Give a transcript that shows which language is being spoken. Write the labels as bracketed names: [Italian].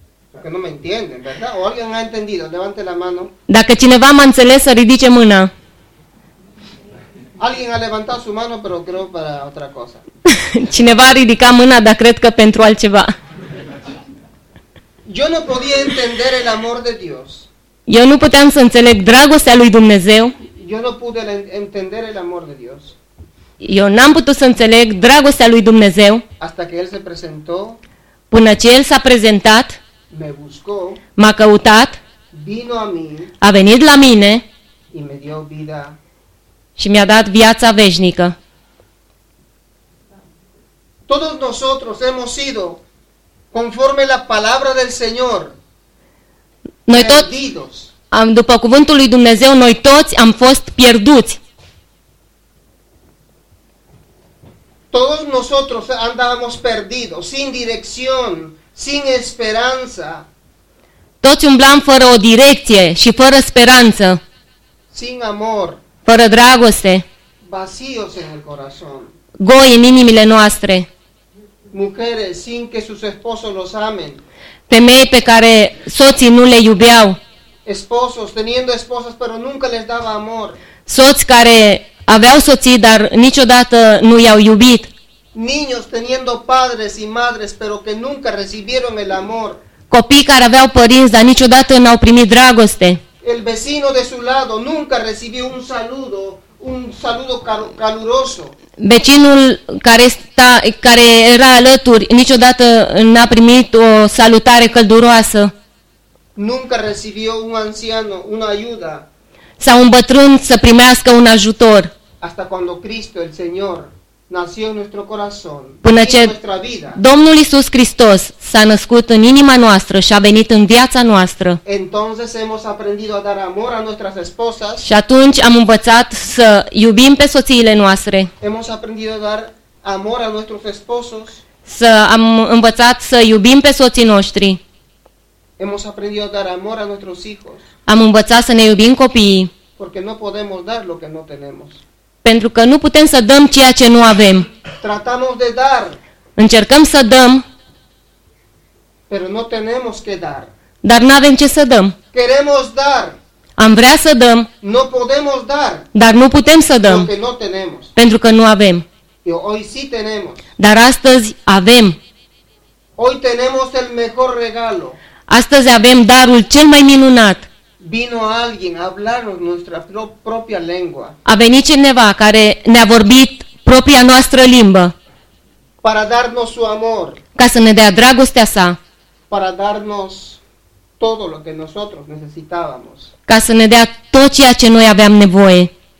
[Romanian] Dacă nu mă [Spanish] entienden, ¿verdad? O alguien ha entendido, levante la mano. [Romanian] Dacă cineva m-a înțeles, să ridice mâna. [Spanish] Alguien ha levantat su mano, pero creo para otra cosa. [Romanian] Cineva a ridicat mâna, dar cred că pentru altceva. [Spanish] Yo no podía entender el amor de Dios. [Romanian] Eu nu puteam să înțeleg dragostea lui Dumnezeu. [Spanish] Yo no pude entender el amor de Dios. [Romanian] Eu n-am putut să înțeleg dragostea lui Dumnezeu. [Spanish] Hasta que él se presentó. [Romanian] Până ce el s-a prezentat. [Spanish] Me buscó, [Romanian] m-a căutat. [Spanish] Vino a mí, [Romanian] a venit la mine. [Spanish] Y me dio vida. [Romanian] Și mi-a dat viața veșnică. [Spanish] Todos nosotros hemos sido conforme la palabra del Señor. [Romanian] Noi toți, după cuvântul lui Dumnezeu, noi toți am fost pierduți. [Spanish] Todos nosotros andábamos perdidos, sin dirección, sin esperanza. [Romanian] Toți umblam fără o direcție și fără speranță. [Spanish] Sin amor. [Romanian] Fără dragoste. [Spanish] Vacíos en el corazón. [Romanian] Goi în inimile noastre. [Spanish] Mujeres sin que sus esposos los amen. [Romanian] Femei pe care soții nu le iubeau. [Spanish] Esposos teniendo esposas pero nunca les daba amor. [Romanian] Soți care aveau soții dar niciodată nu i-au iubit. [Spanish] Niños teniendo padres y madres pero que nunca recibieron el amor. [Romanian] Copii care aveau părinți dar niciodată n-au primit dragoste. [Spanish] El vecino de su lado nunca recibió un saludo caluroso. [Romanian] Vecinul care era alături niciodată n-a primit o salutare călduroasă. [Spanish] Nunca recibió un anciano una ayuda. [Romanian] sau un bătrân să primească un ajutor. [Spanish] Hasta cuando Cristo el Señor nació en nuestro corazón. [Romanian] Până ce Domnul Iisus Hristos s-a născut în inima noastră și a venit în viața noastră. [Spanish] Entonces hemos aprendido a dar amor a nuestras esposas. [Romanian] Și atunci am învățat să iubim pe soțiile noastre. [Spanish] Hemos aprendido a dar amor a nuestros esposos. [Romanian] Să am învățat să iubim pe soții noștri. [Spanish] Hemos aprendido a dar amor a nuestros hijos. [Romanian] Am învățat să ne iubim copiii. [Spanish] Porque no podemos dar lo que no tenemos. [Romanian] Pentru că nu putem să dăm ceea ce nu avem. [Spanish] Tratamos de dar. [Romanian] Încercăm să dăm. [Spanish] Pero no tenemos que dar. [Romanian] Dar nu avem ce să dăm. [Spanish] Queremos dar. [Romanian] Am vrea să dăm. [Spanish] No podemos dar. [Romanian] Dar nu putem să dăm. [Spanish] Porque no tenemos. [Romanian] Pentru că nu avem. [Spanish] Yo, hoy sí tenemos. [Romanian] Dar astăzi avem. [Spanish] Hoy tenemos el mejor regalo. [Romanian] Astăzi avem darul cel mai minunat. [Spanish] Vino alguien a hablarnos nuestra propia lengua. [Romanian] A venit cineva care ne-a vorbit propria noastră limbă. [Spanish] Para darnos su amor. [Romanian] Ca să ne dea dragostea sa. [Spanish] Para darnos todo lo que nosotros necesitábamos. [Romanian] Ca să ne dea tot ceea ce noi aveam nevoie.